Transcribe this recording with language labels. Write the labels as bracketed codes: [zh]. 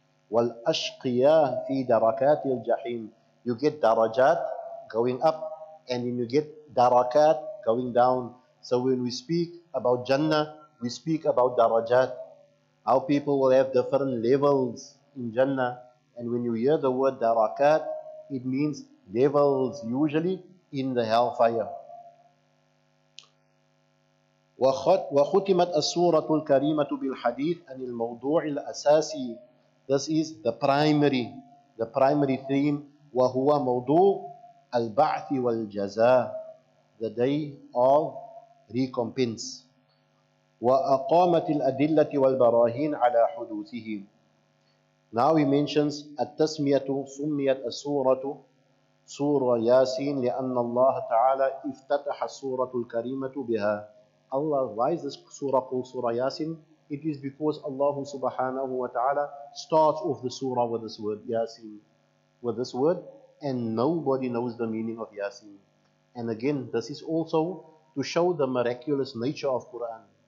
[ar] وَالْأَشْقِيَا فِي دَرَكَاتِ الْجَحِيمِ, [en] you get darajat going up and then you get darakat going down. So when we speak about Jannah, we speak about darajat. Our people will have different levels in Jannah. And when you hear the word darakat, it means levels usually in the hellfire. [ar] وَخُتِمَتْ أَسُورَةُ الْكَرِيمَةُ بِالْحَدِيثِ أَنِ الْمَوْضُوعِ الْأَسَاسِي, [en] this is the primary theme. [ar] وَهُوَ مَوْضُوعُ الْبَعْثِ وَالْجَزَاءِ, [en] the day of recompense. [ar] وَأَقَامَتِ الْأَدِلَّةِ وَالْبَرَاهِينَ عَلَىٰ حُدُوثِهِ. [en] Now he mentions [ar] التَّسْمِيَةُ سُمِّيَتْ السُّورَةُ سُورَ يَاسِين لِأَنَّ اللَّهَ تَعَالَىٰ افْتَتَحَ السُّورَةُ الْكَرِيمَةُ بِهَا. [en] Allah, why is this surah called Surah Yasin? It is because Allah subhanahu wa ta'ala starts off the surah with this word, Yasin, with this word, and nobody knows the meaning of Yasin. And again, this is also to show the miraculous nature of Quran.